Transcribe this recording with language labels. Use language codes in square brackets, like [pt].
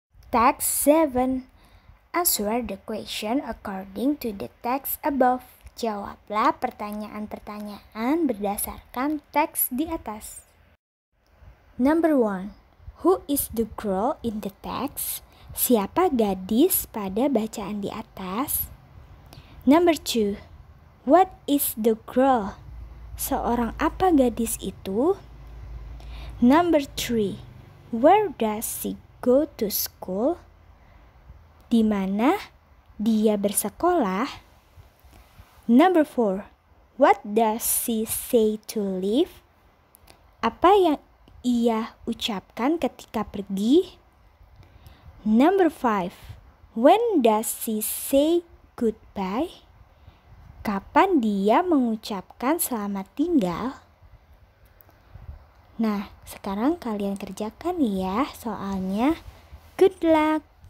[id] Teks 7. [en] Answer the question according to the text above. [id] Jawablah pertanyaan-pertanyaan berdasarkan teks di atas. [en] Number 1. Who is the girl in the text? [id] Siapa gadis pada bacaan di atas? [en] Number 2. What is the girl? [id] Seorang apa gadis itu? [en] Number 3. Where does she go to school? [id] Di mana dia bersekolah? [en] Number 4. What does she say to leave? [id] Apa yang ia ucapkan ketika pergi? [en] Number 5. When does she say goodbye? [id] Kapan dia mengucapkan selamat tinggal? Nah, sekarang kalian kerjakan ya soalnya [en] Good luck.